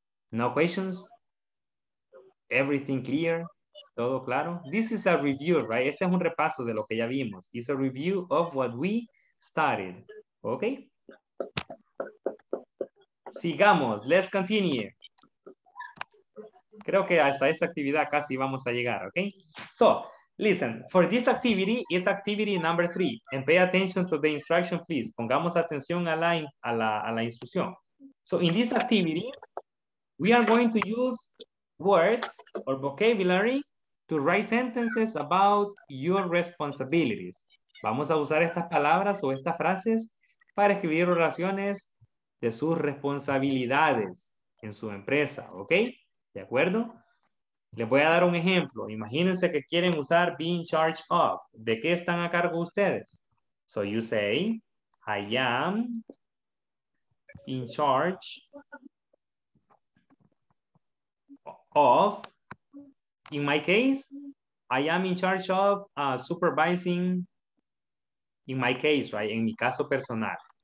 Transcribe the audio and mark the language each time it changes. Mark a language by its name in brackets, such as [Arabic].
[English] No questions? Everything clear? [Spanish] ¿Todo claro? [English] This is a review, right? [Spanish] Este es un repaso de lo que ya vimos. [English] It's a review of what we studied, [Spanish] ¿ok? Sigamos, [English] let's continue. [Spanish] Creo que hasta esta actividad casi vamos a llegar, ¿ok? [English] So, listen, for this activity, it's activity number 3. And pay attention to the instruction, please. [Spanish] Pongamos atención a la instrucción. [English] So, in this activity, we are going to use words or vocabulary to write sentences about your responsibilities. [Spanish] Vamos a usar estas palabras o estas frases para escribir oraciones de sus responsabilidades en su empresa, ¿ok? ¿De acuerdo? Les voy a dar un ejemplo. Imagínense que quieren usar [English] be in charge of. [Spanish] ¿De qué están a cargo ustedes? [English] So you say, I am in charge of, in my case, I am in charge of supervising, in my case, right? [Spanish] En mi caso personal.